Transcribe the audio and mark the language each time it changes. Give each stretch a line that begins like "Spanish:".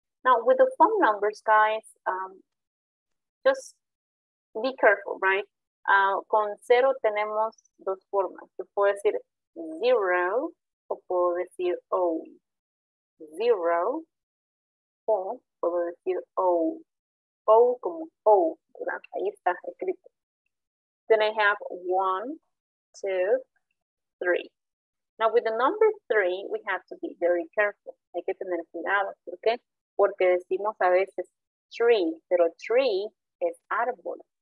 English: Now, with the phone numbers, guys, just be careful, right?
Spanish: Con cero tenemos dos formas. Yo puedo decir zero o puedo decir o. Zero o puedo decir o. O como o, ¿verdad? Ahí está escrito.
English: Then I have one, two, three. Now with the number three, we have to be very careful.
Spanish: Hay que tener cuidado, ¿por qué? Porque decimos a veces tree, pero tree es árbol.